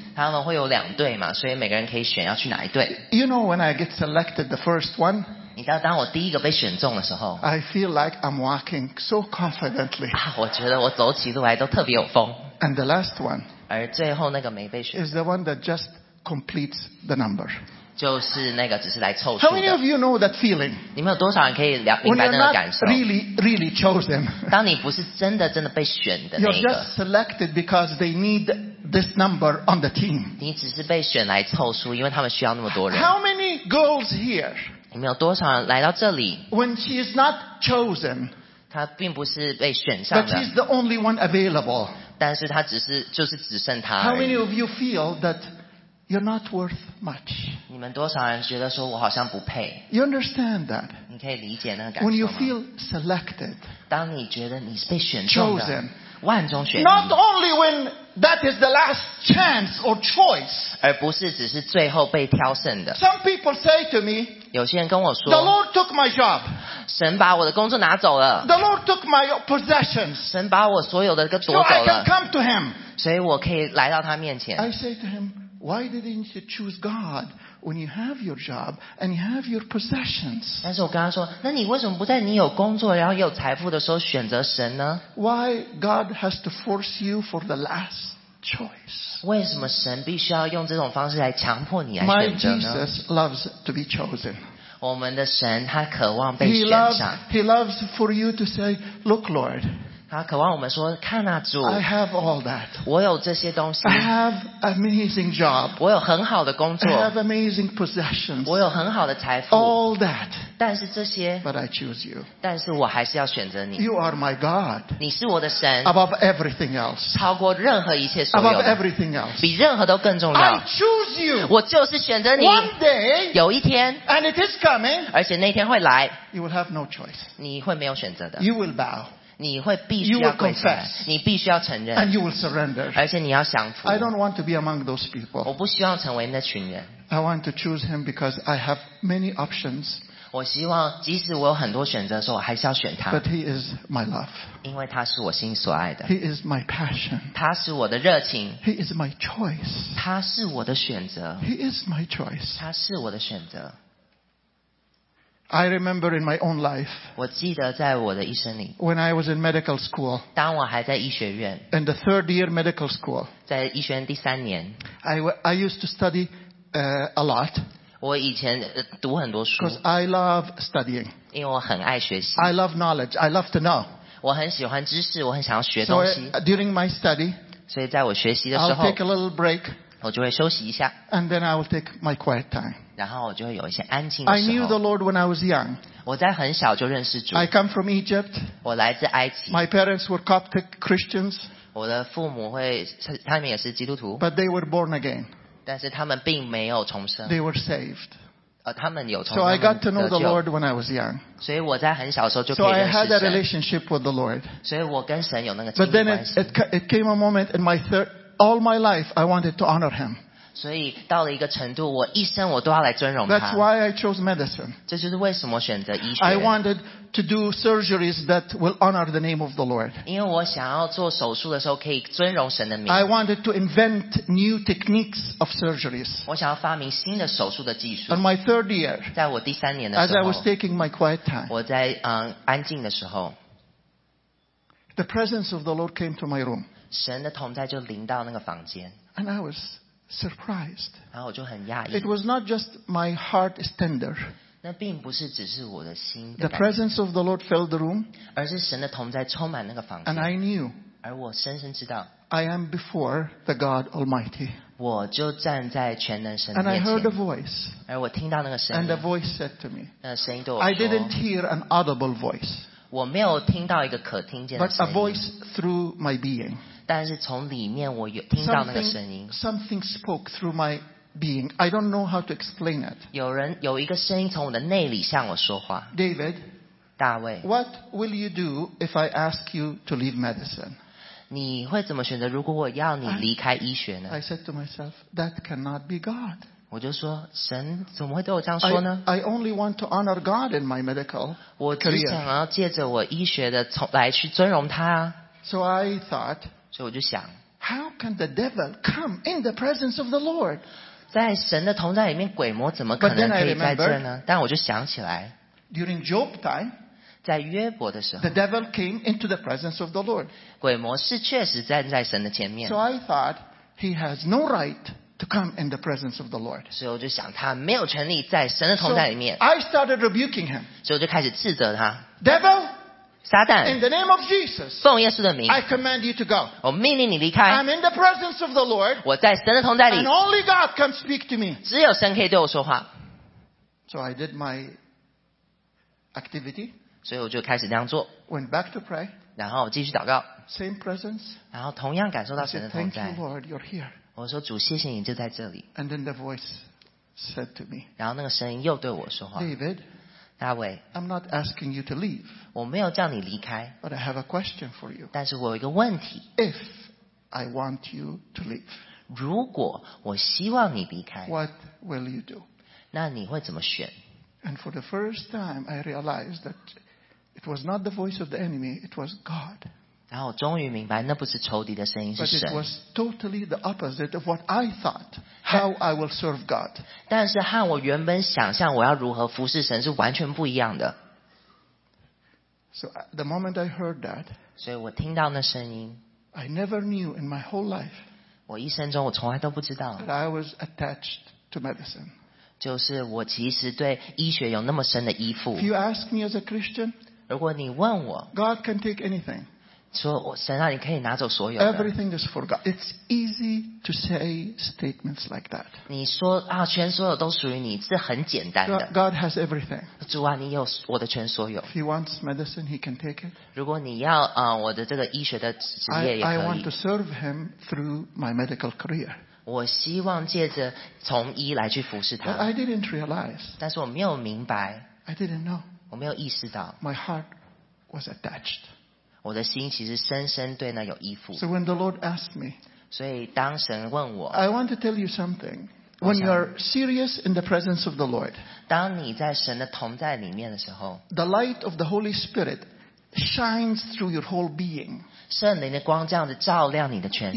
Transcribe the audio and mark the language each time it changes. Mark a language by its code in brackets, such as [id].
[zh] 他们会有两队嘛，所以每个人可以选要去哪一队。 [en] You know when I get selected the first one? [zh] 你知道当我第一个被选中的时候 [en] I feel like I'm walking so confidently [zh] 啊，我觉得我走起路来都特别有风 [en] And the last one [zh] 而最后那个没被选 [en] is the one that just completes the number [zh] 就是那个只是来凑数的 [en] How many of you know that feeling? [zh] 你们有多少人可以明白那个感受 [en] When you're not really, really chosen [zh] 当你不是真的真的被选的那个 [en] You're just selected because they need this number on the team [zh] 你只是被选来凑数因为他们需要那么多人 [en] How many goals here? [zh] 你们有多少人来到这里 [en] ？When she is not chosen， [zh] 她并不是被选上的。 [en] But she's the only one available。 [zh] 但是她只是就是只剩她而已。 [en] How many of you feel that you're not worth much？ [zh] 你们多少人觉得说我好像不配 [en] ？You understand that？ [zh] 你可以理解那个感受吗 [en] ？When you feel selected， [zh] 当你觉得你是被选中的， chosen， 万中选一。 [en] Not only when that is the last chance or choice， [zh] 而不是只是最后被挑剩的。 [en] Some people say to me。 [zh] 有些人跟我说 [en] The Lord took my job. [zh] 神把我的工作拿走了 [en] The Lord took my possessions. [zh] 神把我所有的都夺走了 [en] So I can come to him. [zh] 所以我可以来到他面前 [en] I say to him, why didn't you choose God when you have your job and you have your possessions? [zh] 但是我跟他说那你为什么不在你有工作然后有财富的时候选择神呢 [en] Why God has to force you for the last choice? [zh] 为什么神必须要用这种方式来强迫你来选择 [en] 呢 My Jesus loves to be chosen. [zh] 我们的神他渴望被选上 [en] He loves for you to say, look Lord. [zh] 他渴望我们说看啊主 [en] I have all that. [zh] 我有这些东西 [en] I have amazing job. [zh] 我有很好的工作 [en] I have amazing possessions. [zh] 我有很好的财富 [en] All that. [zh] 但是这些 [en] But I choose you. [zh] 但是我还是要选择你 [en] You are my God. [zh] 你是我的神 [en] Above everything else. [zh] 超过任何一切所有 [en] Above everything else. [zh] 比任何都更重要 [en] I choose you. [zh] 我就是选择你 [en] One day. [zh] 有一天 [en] And it is coming. [zh] 而且那天会来 [en] You will have no choice. [zh] 你会没有选择的 [en] You will bow. [zh] 你会必须要跪下来，你必须要承认 [en] and you will surrender. [zh] 而且你要降服 [en] I don't want to be among those people. [zh] 我不希望成为那群人 [en] I want to choose him because I have many options. [zh] 我希望即使我有很多选择的时候我还是要选他 [en] But he is my love. [zh] 因为他是我心所爱的 [en] He is my passion. [zh] 他是我的热情 [en] He is my choice. [zh] 他是我的选择 [en] He is my choice. [zh] 他是我的选择 [en] I remember in my own life. [zh] 我记得在我的一生里。 [en] When I was in medical school. [zh] 当我还在医学院。 [en] In the third year medical school. [zh] 在医学院第三年。 [en] I used to study a lot. [zh] 我以前读很多书。 [en] Because I love studying. [zh] 因为我很爱学习。 [en] I love knowledge. I love to know. [zh] 我很喜欢知识，我很想要学东西。 [en] So during my study. [zh] 所以在我学习的时候。 [en] I'll take a little break. [zh] 我就会休息一下。 [en] And then I will take my quiet time. [zh] 然后我就会有一些安静的时候。 [en] I knew the Lord when I was young. [zh] 我在很小就认识主。 [en] I come from Egypt. [zh] 我来自埃及。 [en] My parents were Coptic Christians. [zh] 我的父母会，他们也是基督徒。 [en] But they were born again. [zh] 但是他们并没有重生。 [en] They were saved. [zh] 他们有重生。 [en] So I got to know the Lord when I was young. [zh] 所以我在很小的时候就可以认识 [en] 神。So I had a relationship with the Lord. [zh] 所以我跟神有那个亲密关系。 [en] But then it came a moment in my third, all my life, I wanted to honor Him. [zh] 所以到了一个程度，我一生我都要来尊荣他。 [en] That's why I chose medicine. [zh] 这就是为什么选择医学。 [en] I wanted to do surgeries that will honor the name of the Lord. [zh] 因为我想要做手术的时候可以尊荣神的名。 [en] I wanted to invent new techniques of surgeries. [zh] 我想要发明新的手术的技术。 [en] On my third year, [zh] 在我第三年的时候 [en] ，as I was taking my quiet time, [zh] 我在安静的时候 [en] ，the presence of the Lord came to my room. [zh] 神的同在就临到那个房间。 [en] And I was surprised. [zh] 然后我就很讶异。 [en] It was not just my heart is tender. [zh] 那并不是只是我的心的感觉。 [en] The presence of the Lord filled the room. [zh] 而是神的同在充满那个房间。 [en] And I knew. [zh] 而我深深知道。 [en] I am before the God Almighty. [zh] 我就站在全能神 [en] 面前。And I heard a voice. [zh] 而我听到那个声音。 [en] And the voice said to me. [zh] 那声音对我说。 [en] I didn't hear an audible voice. [zh] 我没有听到一个可听见的声音。 [en] But a voice through my being. [zh] 但是从里面我有听到那个声音。 [en] Something spoke through my being. I don't know how to explain it. [zh] 有一个声音从我的内里向我说话。 [en] David. [zh] 大卫。 [en] What will you do if I ask you to leave medicine? [zh] 你会怎么选择？如果我要你离开医学呢 [en] ？I said to myself, that cannot be God. [zh] 我就说，神怎么会对我这样说呢 [en] ？I only want to honor God in my medical career. [zh] 我只想要借着我医学的来去尊荣他啊。 [en] So I thought. [zh] 所以我就想 [en] ，How can the devil come in the presence of the Lord? [zh] 在神的同在里面，鬼魔怎么可能可以在这呢？但我就想起来 [en] ，During Job time. [zh] 在约伯的时候 [en] ，The devil came into the presence of the Lord. [zh] 鬼魔是确实站在神的前面。 [en] So I thought he has no right to come in the presence of the Lord. [zh] 所以我就想他没有权利在神的同在里面。 [en] So I started rebuking him. [zh] 所以我就开始斥责他。 [en] Devil, [zh] 撒旦 [en] ，In the name of Jesus, [zh] 奉耶稣的名 [en] ，I command you to go. [zh] 我命令你离开。 [en] I'm in the presence of the Lord. [zh] 我在神的同在里。 [en] And only God can speak to me. [zh] 只有神可以对我说话。 [en] So I did my activity. [zh] 所以我就开始这样做 [en] Went back to pray, [zh] 然后继续祷告 [en] same presence, [zh] 然后同样感受到神的同在 [en] said, Thank you, Lord, you're here. [zh] 我说主谢谢你就在这里 [en] And then the voice said to me, [zh] 然后那个声音又对我说话 [en] David, [zh] 大卫 [en] I'm not asking you to leave, [zh] 我没有叫你离开 [en] but I have a question for you, [zh] 但是我有一个问题 [en] If I want you to leave, [zh] 如果我希望你离开 [en] what will you do? [zh] 那你会怎么选 [en] And for the first time I realized thatIt was not the voice of the enemy, it was God. [zh] 然后我终于明白那不是仇敌的声音是神。 [en] But it was totally the opposite of what I thought, how I will serve God. [zh] 但是和我原本想象我要如何服侍神是完全不一样的。 [en] So the moment I heard that, [zh] 所以我听到那声音 [en] I never knew in my whole life, [zh] 我一生中我从来都不知道 [en] that I was attached to medicine. [zh] 就是我其实对医学有那么深的依附。 [en] If you ask me as a Christian, [zh] 如果你问我 [en] God can take anything. [zh] 说神啊，你可以拿走所有 [en] 的。Everything is for God. It's easy to say statements like that. [zh] 你说啊，全所有都属于你，是很简单的。 [en] God has everything. [zh] 主啊，你有我的全所有。 [en] If he wants medicine, he can take it. [zh] 如果你要啊，我的这个医学的职业也可以。 [en] I want to serve him through my medical career. [zh] 我希望借着从医来去服侍他。 [en] But I didn't realize. [zh] 但是我没有明白。 [en] I didn't know. [zh] 我没有意识到 [en] My heart was attached. [zh] 我的心其实深深对那有依附 [en] So when the Lord asked me, [zh] 所以当神问我 [en] I want to tell you something. When you are serious in the presence of the Lord, [zh] 当你在神的同在里面的时候 [en] The light of the Holy Spirit shines through your whole being. [zh] 圣灵的光这样子照亮你的全身